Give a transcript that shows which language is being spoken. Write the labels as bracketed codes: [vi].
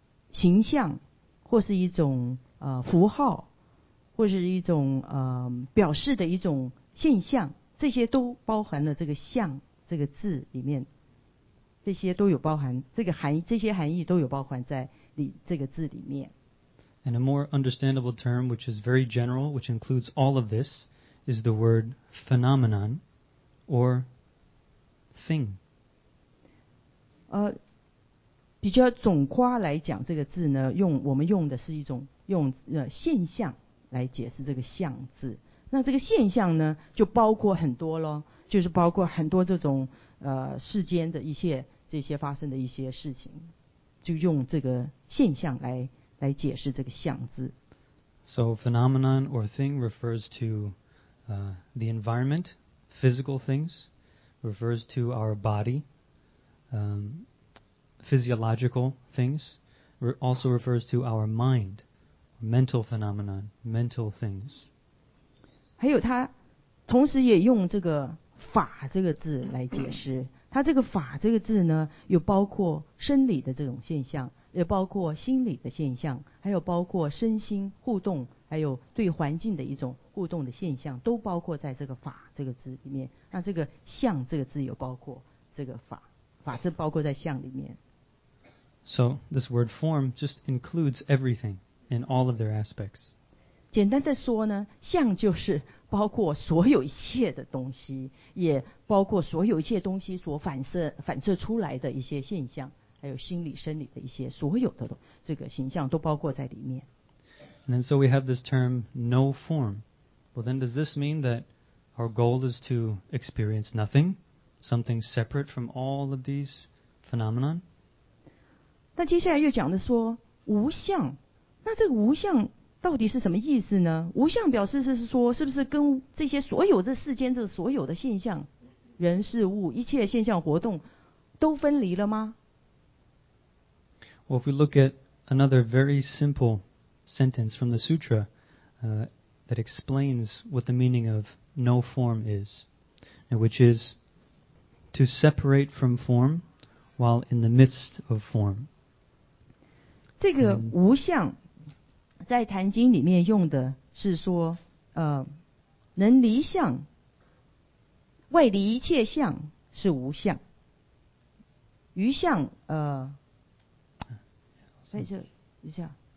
[zh] 形象或是一种符号或是一种表示的一种现象，这些都包含了这个相这个字里面，这些都有包含这个含义，这些含义都有包含在这个字里面。 [en] And a more understandable term which is very general which includes all of thisIs the word phenomenon or thing? [zh] 比较总括来讲，这个字呢，我们用的是一种用现象来解释这个相字。那这个现象呢，就包括很多咯，就是包括很多这种世间的一些这些发生的一些事情，就用这个现象来解释这个相字。 [en] So phenomenon or thing refers to. The environment, physical things, refers to our body, physiological things, also refers to our mind, mental phenomenon, mental things. [zh] 还有他同时也用这个法这个字来解释，他这个法这个字呢，有包括生理的这种现象，也包括心理的现象，还有包括身心互动，还有对环境的一种互动的现象，都包括在这个法这个字里面。那这个相这个字有包括这个法。法正包括在相里面。 [en] So this word form just includes everything in all of their aspects. [zh] 简单的说呢，相就是包括所有一切的东西，也包括所有一切东西所反射出来的一些现象，还有心理生理的一些所有的这个形象都包括在里面。 [en] And then so we have this term, no form. Well, then does this mean that our goal is to experience nothing, something separate from all of these phenomena? [zh] 那接下来又讲的说无相，那这个无相到底是什么意思呢？无相表示是说，是不是跟这些所有的世间的所有的现象、人事物、一切现象活动都分离了吗 [en] ？Well, if we look at another very simple sentence from the sutra, that explains what the meaning of no form is, and which is to separate from form while in the midst of form. [zh] 这个无相在坛经里面用的是说，能离相，外离一切相是无相，余相在这一下。